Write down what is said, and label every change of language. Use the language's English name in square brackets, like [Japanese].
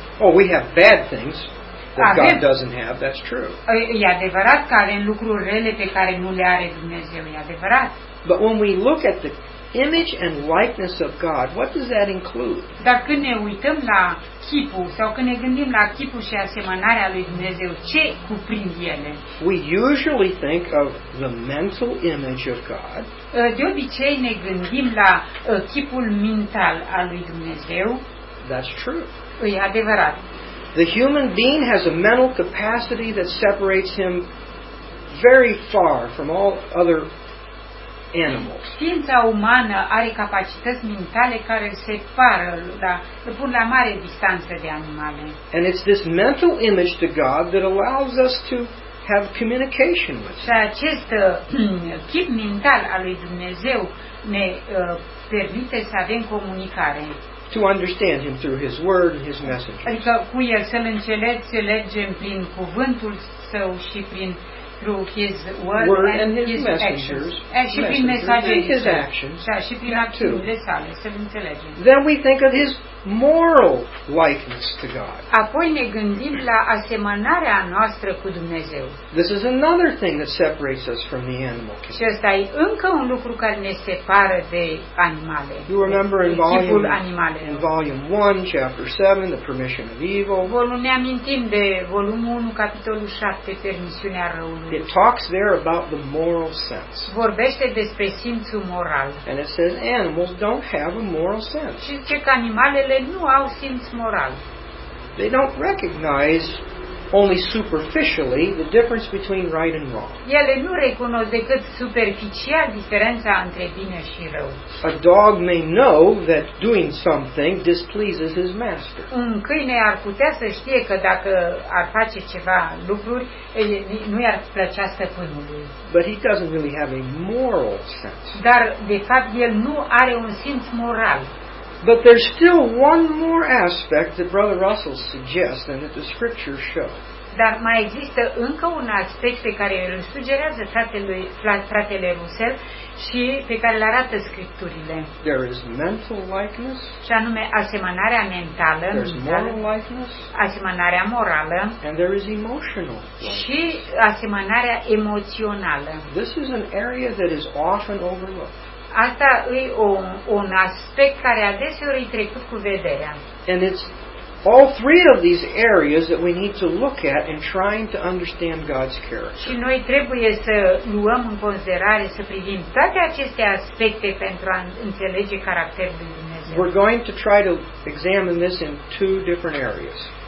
[English] Oh, we have bad things that [Romanian] avem, [English] God doesn't have, that's true. [Romanian] E adevărat că avem lucruri rele pe care nu le are Dumnezeu, e adevărat. [English] But when we look at the image and likeness of God, what does that include? [Romanian] Dar când ne uităm la chipul sau când ne gândim la chipul și asemănarea lui Dumnezeu, ce cuprind ele? [English] We usually think of the mental image of God. [Romanian] De obicei ne gândim la chipul mental al lui Dumnezeu. [English] That's true. [Romanian] E adevărat. [English] The human being has a mental capacity that separates him very far from all other animals. [Romanian] Ființa umană are capacități mentale care separă, da, pun la mare distanță de animale. [English] And it's this mental image to God that allows us to have communication with [Romanian] him. Și acest chip mental al lui Dumnezeu ne permite să avem comunicare. [English] To understand him through his word and his message. [Romanian] Adică cu el să-l înțelegem prin cuvântul său și prin [English] through his word and his messengers, [Romanian] și prin mesajele [English] his actions, [Romanian] și prin acțiunile sale, să-l înțelegem. [English] Then we think of his moral likeness to God. [Romanian] Apoi ne gândim la asemănarea noastră cu Dumnezeu. [English] This is another thing that separates us from the animal kingdom. [Romanian] Și ăsta e încă un lucru care ne separă de animale. [English] You remember in volume 1, chapter 7, the permission of evil. [Romanian] Ne amintim de volumul 1, capitolul 7, permisiunea răului. [English] It talks there about the moral sense. [Romanian] Vorbește despre simțul moral. [English] And it says animals don't have a moral sense. [Romanian] Și zice că animale nu au simț moral. [English] They don't recognize only superficially the difference between right and wrong. [Romanian] Ele nu recunosc decât superficial diferența între bine și rău. [English] A dog may know that doing something displeases his master. [Romanian] Un câine ar putea să știe că dacă ar face ceva lucruri, nu i-ar plăcea stăpânului. [English] But he doesn't really have a moral sense. [Romanian] Dar de fapt el nu are un simț moral. [English] But there's still one more aspect that Brother Russell suggests and that the scriptures show. [Romanian] Dar mai există încă un aspect pe care îl sugerează fratele Russell și pe care îl arată scripturile. [English] There is mental likeness. [Romanian] Și anume asemănarea mentală. [English] There's moral likeness. [Romanian] Asemănarea morală. [English] And there is emotional likeness. [Romanian] Și asemănarea emoțională. [English] This is an area that is often overlooked. [Romanian] Asta e un aspect care adeseori e trecut cu vederea. [English] And it's all three of these areas that we need to look at in trying to understand God's character. [Romanian] Și noi trebuie să luăm în considerare, să privim toate aceste aspecte pentru a înțelege caracterul lui Dumnezeu. [English] We're going to try to examine this in two different areas.